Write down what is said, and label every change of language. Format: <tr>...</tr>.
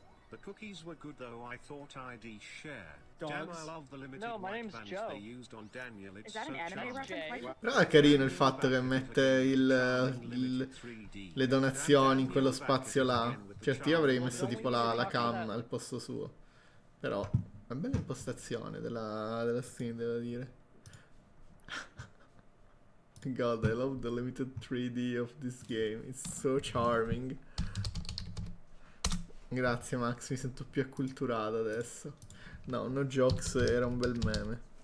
<en>The cookies were good though, I thought I'd share. Damn, I love the limited white bands they used on Daniel. It's so charming.</en> <it>Però è carino il fatto che mette le donazioni in quello spazio là. Certo, io avrei messo tipo la cam al posto suo. Però è una bella impostazione della scene, devo dire.</it> <en>God, I love the limited 3D of this game. It's so charming.</en> <it>Grazie Max, mi sento più acculturato adesso. No,</it> <en>no jokes,</en> <it>era un bel meme.</it>